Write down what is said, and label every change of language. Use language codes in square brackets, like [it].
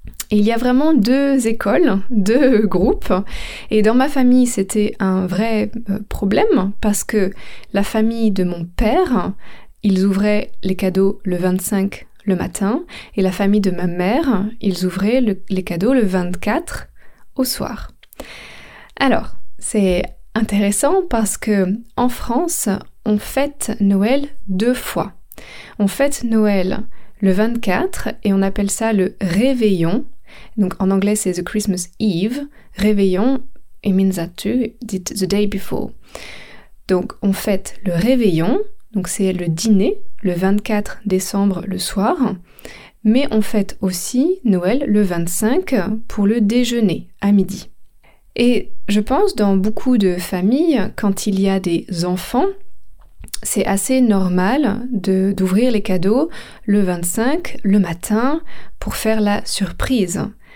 [fr] Et il y a vraiment deux écoles, deux groupes. Et dans ma famille, c'était un vrai problème parce que la famille de mon père, ils ouvraient les cadeaux le 25 le matin, et la famille de ma mère, ils ouvraient les cadeaux le 24 au soir. Alors, c'est intéressant parce que en France, on fête Noël deux fois. On fête Noël le 24 et on appelle ça le réveillon. Donc en anglais, c'est [en] the Christmas Eve. Réveillon, it means that too, it's the day before. [fr] Donc on fête le réveillon. Donc c'est le dîner, le 24 décembre, le soir. Mais on fête aussi Noël le 25 pour le déjeuner, à midi. Et je pense dans beaucoup de familles, quand il y a des enfants, c'est assez normal d'ouvrir les cadeaux le 25, le matin, pour faire la surprise.